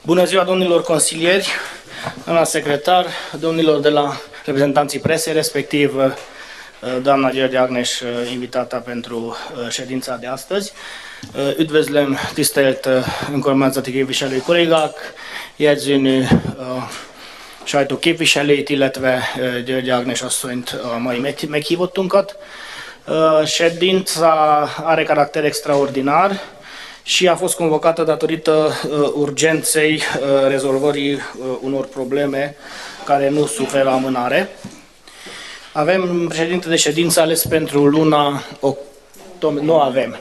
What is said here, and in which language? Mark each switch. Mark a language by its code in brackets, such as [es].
[ro] Bună ziua, domnilor consilieri, doamna secretar, domnilor de la reprezentanții presei, respectiv doamna Gerdi Agneș, invitată pentru ședința de astăzi. [hu] Üdvözlöm tisztelt önkormányzati képviselői kollégák, jegyzőnő, sajtó képviselőit, illetve György Ágnes asszonyt, a mai meghívottunkat. [ro] Ședința are caracter extraordinar și a fost convocată datorită urgenței rezolvării unor probleme care nu suferă amânare. Avem președinte de ședință ales pentru luna octombrie. Nu avem.